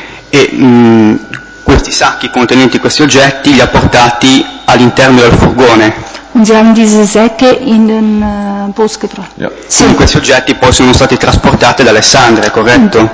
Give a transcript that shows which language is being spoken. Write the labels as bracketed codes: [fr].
[it] E questi sacchi contenenti questi oggetti li ha portati all'interno del furgone. [de] Und sie haben diese Säcke in den Bus gebracht. Ja. [it] Sì, questi oggetti poi sono stati trasportati da Alessandria, corretto?